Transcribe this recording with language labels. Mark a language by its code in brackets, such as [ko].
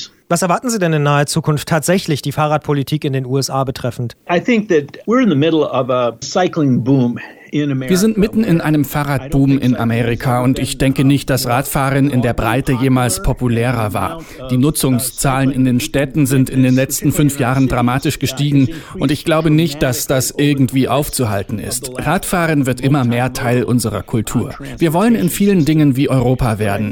[de] Was erwarten Sie denn in naher Zukunft tatsächlich die Fahrradpolitik in den USA betreffend? [en] I think that we're in the middle of a cycling boom. [de] Wir sind mitten in einem Fahrradboom in Amerika und ich denke nicht, dass Radfahren in der Breite jemals populärer war. Die Nutzungszahlen in den Städten sind in den letzten 5 Jahren dramatisch gestiegen und ich glaube nicht, dass das irgendwie aufzuhalten ist. Radfahren wird immer mehr Teil unserer Kultur. Wir wollen in vielen Dingen wie Europa werden.